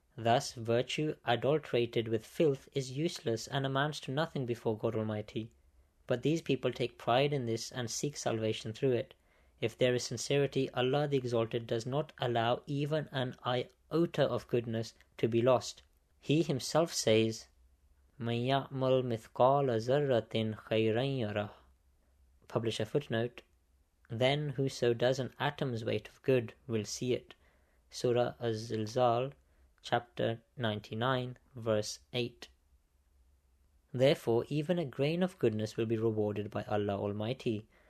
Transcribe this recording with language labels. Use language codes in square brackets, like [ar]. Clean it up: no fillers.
[en] Thus, virtue adulterated with filth is useless and amounts to nothing before God Almighty. But these people take pride in this and seek salvation through it. If there is sincerity, Allah the Exalted does not allow even an iota of goodness to be lost. He Himself says, [ar] مَنْ يَعْمَلْ مِثْقَالَ زَرَّةٍ خَيْرًا يَرَهُ. [en] Publisher footnote, then whoso does an atom's weight of good will see it. Surah Az-Zilzal, chapter 99, verse 8. Therefore, even a grain of goodness will be rewarded by Allah Almighty.